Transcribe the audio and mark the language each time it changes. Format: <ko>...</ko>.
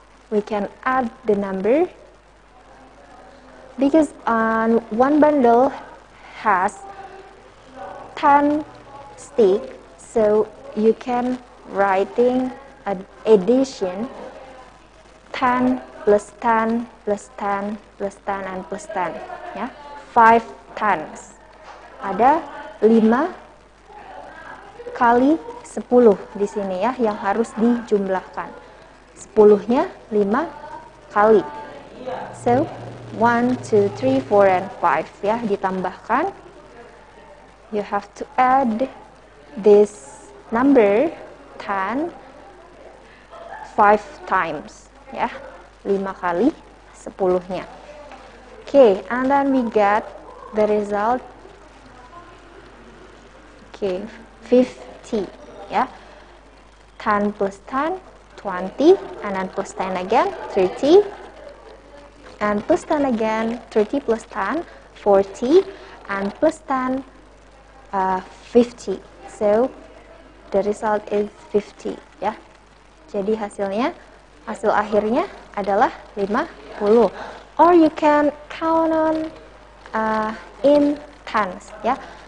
<en>We can add the number because on one bundle has 10 stick, so you can writing an addition, 10 plus 10 plus 10 plus 10 and plus 10, yeah, 5 times.</en> <id>Ada 5 kali 10 di sini, ya, yang harus dijumlahkan. 10-nya 5 kali. So, 1 2 3 4 and 5, ya, ditambahkan.</id> <en>You have to add this number 10 5 times, ya.</en> <id>5 kali 10-nya.</id> <en>Okay, and then we get the result. Okay, 50, ya. 10 plus 10, 20, and then plus 10 again, 30, and plus 10 again, 30 plus 10, 40, and plus 10, 50. So, the result is 50, ya.</en> <id>Jadi hasilnya, hasil akhirnya adalah 50.</id> <en>Or you can count on in tens, ya.</en>